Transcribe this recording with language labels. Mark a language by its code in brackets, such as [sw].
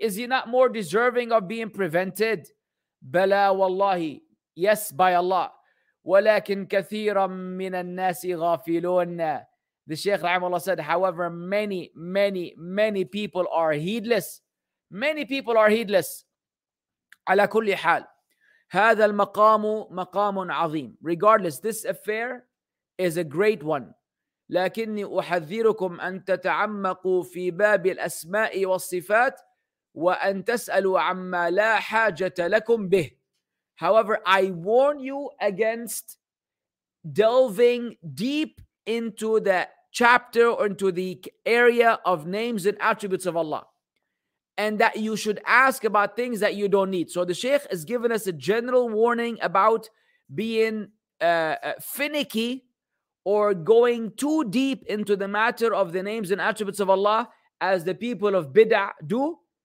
[en] Is he not more deserving of being prevented? [ar] بَلَا وَاللَّهِ. [en] Yes, by Allah. [ar] وَلَكِنْ كَثِيرًا مِّنَ النَّاسِ غَافِلُونَ. [en] The Shaykh Rahimahullah said, however, many people are heedless. Many people are heedless. [ar] على كل حال, هذا المقام مقام عظيم. [en] Regardless, this affair is a great one. [ar] لكني أحذركم أن تتعمقوا في باب الأسماء والصفات وأن تسألوا عما لا حاجة لكم به. [en] However, I warn you against delving deep into the chapter or into the area of names and attributes of Allah, and that you should ask about things that you don't need. So the Shaykh has given us a general warning about being finicky or going too deep into the matter of the names and attributes of Allah, as the people of bid'ah do,